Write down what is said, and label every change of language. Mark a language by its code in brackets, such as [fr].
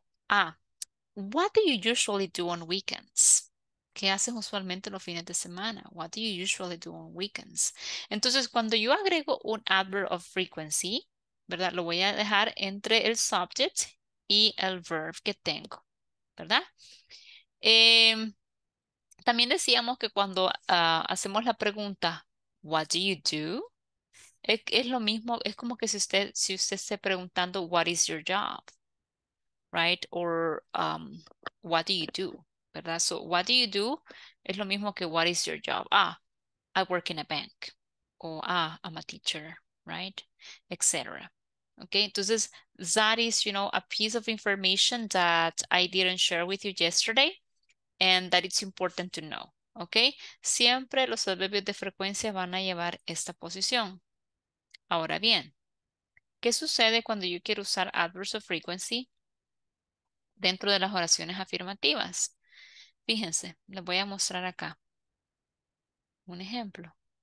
[en] Ah, what do you usually do on weekends? [es] ¿Qué haces usualmente los fines de semana? [en] What do you usually do on weekends? [es] Entonces, cuando yo agrego un adverb of frequency, ¿verdad? Lo voy a dejar entre el subject y el verb que tengo, ¿verdad? También decíamos que cuando hacemos la pregunta, [en] what do you do? [es] Es lo mismo, es como que si usted esté preguntando [en] what is your job, right? Or what do you do, ¿verdad? So what do? [es] Es lo mismo que [en] what is your job. Ah, I work in a bank. O ah, I'm a teacher, right? Etc. Okay, entonces, that is, you know, a piece of information that I didn't share with you yesterday and that it's important to know. [es] Okay, siempre los adverbios de frecuencia van a llevar esta posición. Ahora bien, ¿qué sucede cuando yo quiero usar adverbs of frequency dentro de las oraciones afirmativas? Fíjense, les voy a mostrar acá un ejemplo.